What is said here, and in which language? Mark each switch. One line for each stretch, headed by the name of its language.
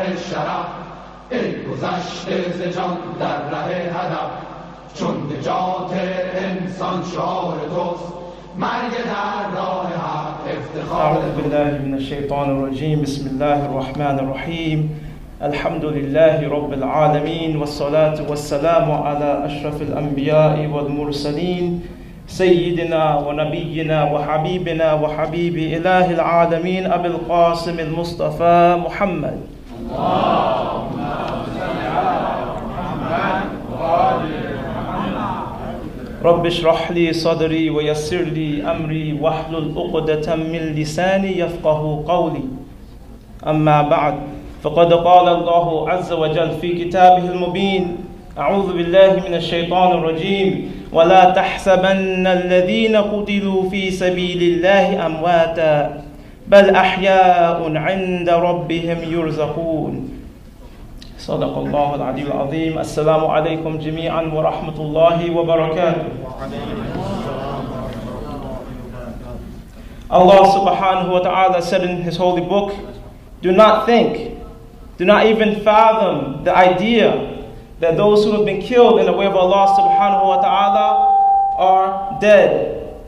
Persian: شراب ای گذشته ز جان در ره هدف، چون نجات انسان شعار توست، مرگ در راه حق افتخار توست.
Arabic: اعوذ بالله من الشیطان الرجیم، بسم الله الرحمن الرحیم، الحمد لله رب العالمين والصلاة والسلام على أشرف الأنبياء والمرسلين سيدنا ونبينا وحبيبنا وحبيب إله العالمين أبي القاسم المصطفى محمد. رب اشرح لي صدري ويسر لي أمري واحلل عقدة من لساني يفقه قولي. أما بعد، فقد قال الله عز وجل في كتابه المبين، أعوذ بالله من الشيطان الرجيم، ولا تحسبن الذين قتلوا في سبيل الله أمواتا بل أحياء عند ربهم يرزقون. صدق الله العلي العظيم. السلام عليكم جميعا ورحمة الله وبركاته. الله سبحانه وتعالى
English: said in his holy book, do not think, do not even fathom the idea that those who have been killed in the way of Allah subhanahu wa ta'ala are dead.